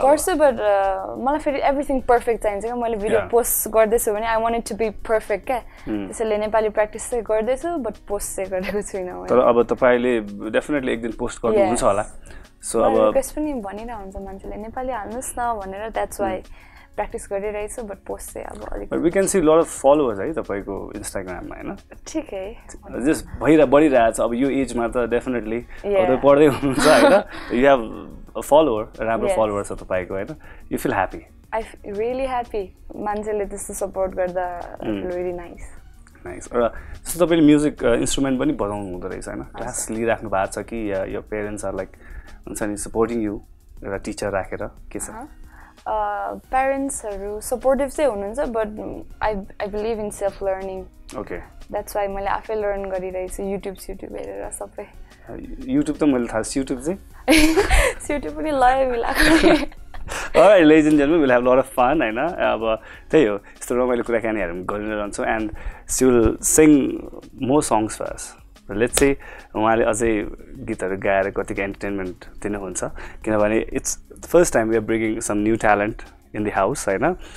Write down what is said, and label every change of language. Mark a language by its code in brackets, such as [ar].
[ne] गर्छु बट मलाई फेरि एभ्रिथिङ पर्फेक्ट चाहिन्छ क्या मैले भिडियो पोस्ट गर्दैछु भने [en] I want it to be perfect [ne] क्या त्यसैले नेपाली प्र्याक्टिस चाहिँ गर्दैछु बट पोस्ट चाहिँ गरेको छुइनँ तर अब तपाईँले डेफिनेटली एक दिन पोस्ट गर्नुहुन्छ होला [en] So I [ne] request पनि भनिरहन्छ मान्छेले नेपाली हाल्नुस् न भनेर [en] that's why [ne] practice गरिरहै छु [en] but [ne] post चाहिँ अब अलि [en] we can see a lot of followers [ne] है तपाईको [en] Instagram [ne] मा हैन [en] ठीक है [ne] जस भइरा बढिराछ अब यो एज मा त definitely अरु पढ्दै हुनुहुन्छ हैन [en] you have a follower [ne] राम्रो followers छ तपाईको हैन [en] you feel happy I feel really happy [ne] मान्छेले त्यस्तो support गर्दा [en] really nice Nice. [ne] So, तपाईले music instrument पनि बजाउनु हुँदो रहेछ हैन क्लास लि राख्नु भएको छ कि [en] your parents are like [ne] हुन्छ नि [en] supporting you [ne] एउटा टीचर राखेर के छ [en] parents are supportive [ne] चाहिँ हुनुहुन्छ [en] but I believe in self learning okay [ne] that's why मैले आफै लर्न गरिरहेछु youtube हेरेर सबै youtube त मैले थाहा छ youtube चाहिँ youtube पनि लय मिलाएको [en] All right, ladies and gentlemen, we'll have a lot of fun, I know. Tell you, it's the Romayla Kurakani, I'm going to run so, and she will sing more songs for us. But let's say, Romayla, as a guitar guy, I got the entertainment, you know, it's the first time we are bringing some new talent in the house, I know.